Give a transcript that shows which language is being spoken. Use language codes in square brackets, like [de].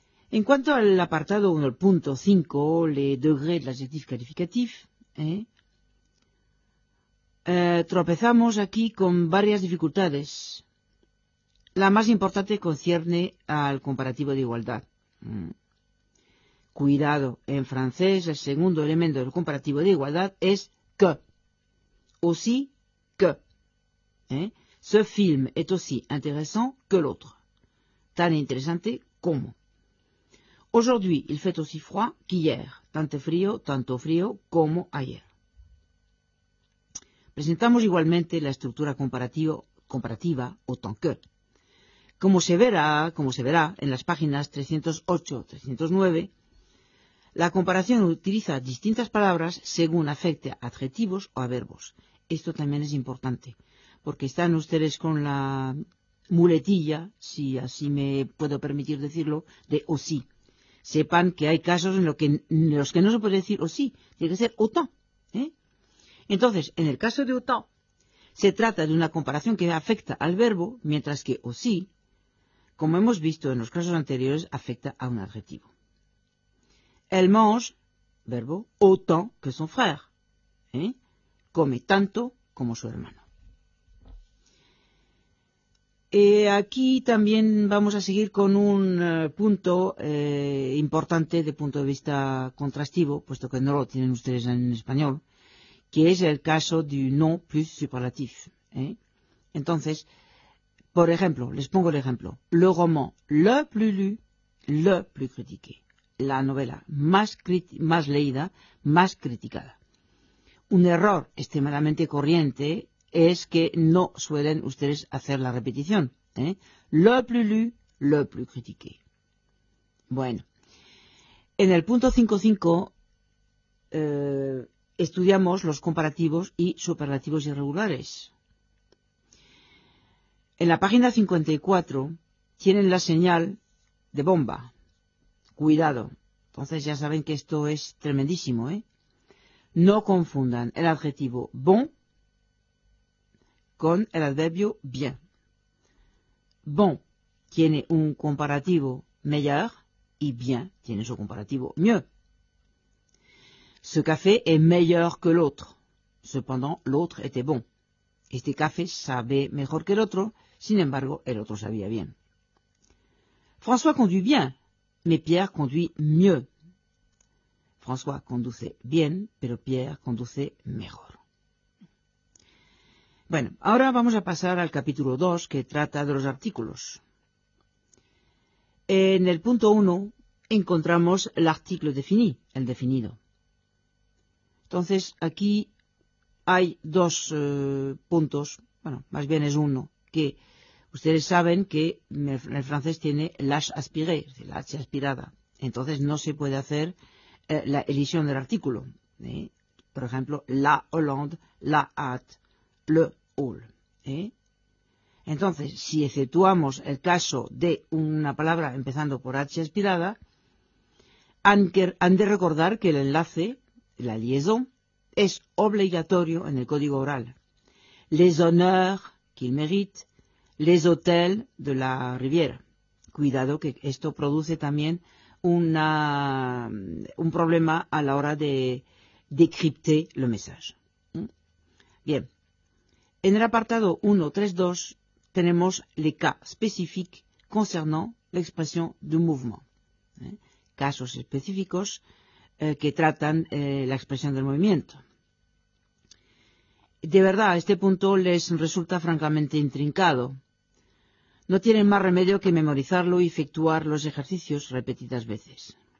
[es] En cuanto al apartado 1, el punto 5, [fr] les degrés de l'adjectif calificatif, [es] tropezamos aquí con varias dificultades. La más importante concierne al comparativo de igualdad. Cuidado, en francés el segundo elemento del comparativo de igualdad es que. [fr] Aussi que. Ce film est aussi intéressant que l'autre. [es] Tan interesante como. [fr] Aujourd'hui, il fait aussi froid qu'hier. [es] Tanto frío como ayer. Presentamos igualmente la estructura comparativa autant que. Como se verá en las páginas 308-309, la comparación utiliza distintas palabras según afecte a adjetivos o a verbos. Esto también es importante, porque están ustedes con la muletilla, si así me puedo permitir decirlo, de o sí. Sepan que hay casos en los que no se puede decir o sí, tiene que ser autant. Entonces, en el caso de autant, se trata de una comparación que afecta al verbo, mientras que o sí, como hemos visto en los casos anteriores, afecta a un adjetivo. [fr] Elle mange, verbo, autant que son frère. [es] Come tanto como su hermano. Aquí también vamos a seguir con un punto importante de punto de vista contrastivo, puesto que no lo tienen ustedes en español, que es el caso du non plus superlatif. Entonces, por ejemplo, les pongo el ejemplo. [fr] Le roman le plus lu, le plus critiqué. [es] La novela más leída, más criticada. Un error extremadamente corriente es que no suelen ustedes hacer la repetición. [fr] Le plus lu, le plus critiqué. [es] Bueno, en el punto 5.5 estudiamos los comparativos y superlativos irregulares. En la página 54 tienen la señal de bomba. Cuidado. Entonces ya saben que esto es tremendísimo, No confundan el adjetivo bon con el adverbio bien. Bon tiene un comparativo meilleur y bien tiene su comparativo mieux. [fr] Ce café est meilleur que l'autre. Cependant, l'autre était bon. [es] Este café sabe mejor que el otro, sin embargo, el otro sabía bien. [fr] François conduit bien, mais Pierre conduit mieux. [es] François conduce bien, pero Pierre conduce mejor. Bueno, ahora vamos a pasar al capítulo 2, que trata de los artículos. En el punto 1 encontramos el artículo défini, el definido. Entonces, aquí hay dos puntos, bueno, más bien es uno, que ustedes saben que en el francés tiene l'h aspiré, es decir, la h aspirada. Entonces, no se puede hacer la elisión del artículo. Por ejemplo, [fr] la Hollande, la hâte, le houle. [es] Entonces, si exceptuamos el caso de una palabra empezando por h aspirada, han de recordar que el enlace, la liaison, es obligatorio en el código oral. [fr] Les honneurs qu'il mérite, les hôtels de la Riviera. [es] Cuidado que esto produce también un problema a la hora de decriptar el mensaje. Bien, en el apartado 1.3.2 tenemos [fr] le cas spécifique concernant l'expression du mouvement. [es] Casos específicos que tratan la expresión del movimiento. De verdad, este punto les resulta francamente intrincado. No tienen más remedio que memorizarlo y efectuar los ejercicios repetidas veces.